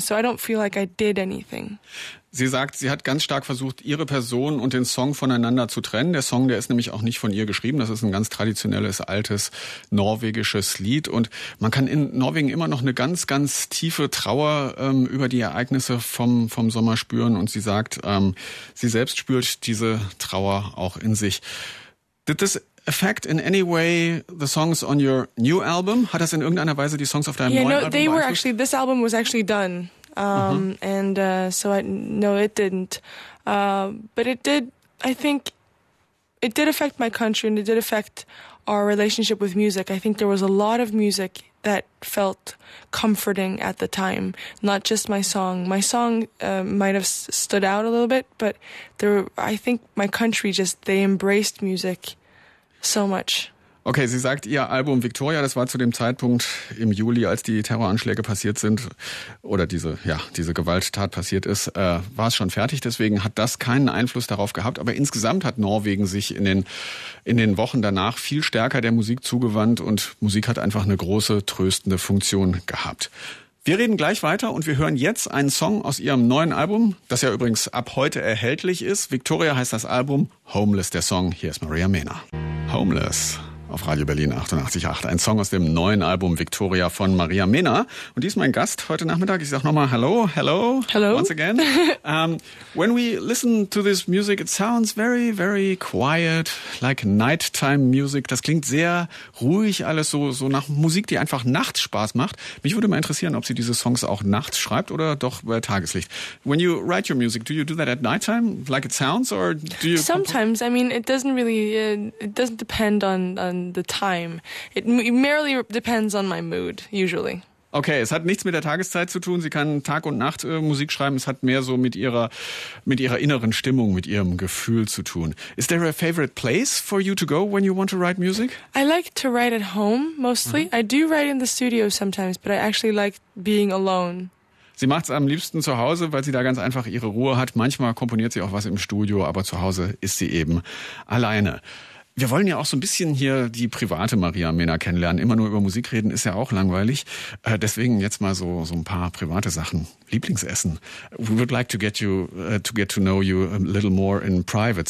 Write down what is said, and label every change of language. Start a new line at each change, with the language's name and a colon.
English: So I don't feel like I did anything.
German: Sie sagt, sie hat ganz stark versucht, ihre Person und den Song voneinander zu trennen. Der Song, der ist nämlich auch nicht von ihr geschrieben. Das ist ein ganz traditionelles, altes, norwegisches Lied. Und man kann in Norwegen immer noch eine ganz, ganz tiefe Trauer über die Ereignisse vom Sommer spüren. Und sie sagt, sie selbst spürt diese Trauer auch in sich.
English: Did this affect in any way the songs on your new album?
German: Hat das in irgendeiner Weise die Songs auf deinem neuen Album beeinflusst?
English: Yeah, no, this album was actually done. It didn't. But it did, I think, it did affect my country and it did affect our relationship with music. I think there was a lot of music that felt comforting at the time, not just my song. My song might have stood out a little bit, but I think my country embraced music so much.
German: Okay, sie sagt, ihr Album Victoria, das war zu dem Zeitpunkt im Juli, als die Terroranschläge passiert sind oder diese Gewalttat passiert ist, war es schon fertig. Deswegen hat das keinen Einfluss darauf gehabt. Aber insgesamt hat Norwegen sich in den Wochen danach viel stärker der Musik zugewandt und Musik hat einfach eine große tröstende Funktion gehabt. Wir reden gleich weiter und wir hören jetzt einen Song aus ihrem neuen Album, das ja übrigens ab heute erhältlich ist. Victoria heißt das Album, Homeless der Song. Hier ist Maria Mena. Homeless auf Radio Berlin 88.8. Ein Song aus dem neuen Album Victoria von Maria Mena. Und die ist mein Gast heute Nachmittag. Ich sage nochmal
English: hello, hello. Hello. Once again. When we listen to this music, it sounds very, very quiet, like nighttime music.
German: Das klingt sehr ruhig alles, so nach Musik, die einfach nachts Spaß macht. Mich würde mal interessieren, ob sie diese Songs auch nachts schreibt oder doch bei Tageslicht.
English: When you write your music, do you do that at nighttime, like it sounds? Or do you sometimes. I mean, it doesn't depend on the time. It merely depends on my mood, usually.
German: Okay, es hat nichts mit der Tageszeit zu tun. Sie kann Tag und Nacht Musik schreiben. Es hat mehr so mit ihrer inneren Stimmung, mit ihrem Gefühl zu tun.
English: Is there a favorite place for you to go when you want to write music? I like to write at home mostly. Mm-hmm. I do write in the studio sometimes, but I actually like being alone.
German: Sie macht es am liebsten zu Hause, weil sie da ganz einfach ihre Ruhe hat. Manchmal komponiert sie auch was im Studio, aber zu Hause ist sie eben alleine. Wir wollen ja auch so ein bisschen hier die private Maria Mena kennenlernen. Immer nur über Musik reden ist ja auch langweilig. Deswegen jetzt mal so ein paar private Sachen. Lieblingsessen.
English: We would like to get to know you a little more in private.